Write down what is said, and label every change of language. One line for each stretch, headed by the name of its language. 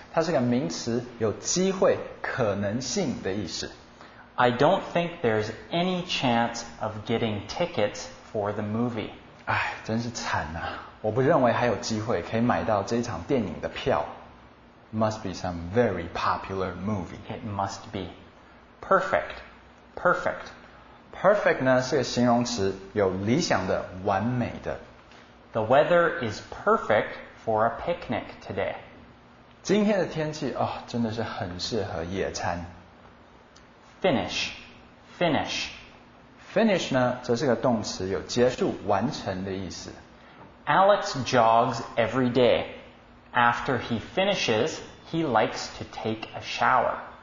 Chinese: 它是个名词，有机会、可能性的意思。
English: I don't think there's any chance of getting tickets... for the movie.
Chinese: 唉，真是惨啊！我不认为还有机会可以买到这场电影的票。
English: Must be some very popular movie. It must be. Perfect. Perfect.
Chinese: Perfect 呢，是个形容词，有理想的、完美的。
English: The weather is perfect for a picnic today.
Chinese: 今天的天气，哦，真的是很适合野餐。
English: Finish. Finish.
Chinese: Finish 呢，则是个动词，有结束、完成的意思。
English: Alex jogs every day. After he finishes, he likes to take a shower.